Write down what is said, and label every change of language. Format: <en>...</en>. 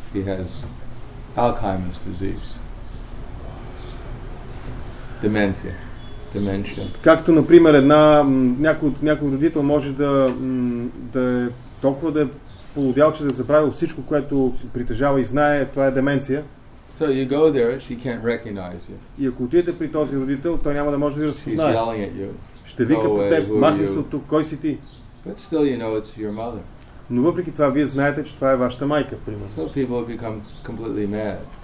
<en>She has Alzheimer's disease. Dementia. Dementia.</en> <bg>Както, например, някой родител може да е толкова да е полудял, че да е забравил всичко, което притежава и знае, това е деменция.</bg> <en>So you go there, she can't recognize you.</en> <bg>И ако отидете при този родител, той няма да може да ви разпознае.</bg> <en>She's yelling at you.</en> <bg>Ще вика по теб, махни се от тук, кой си ти?</bg> <en>But still you know it's your mother.</en> <bg>Но въпреки това, вие знаете, че това е вашата майка, примерно.</bg> <en>So people become completely mad.</en>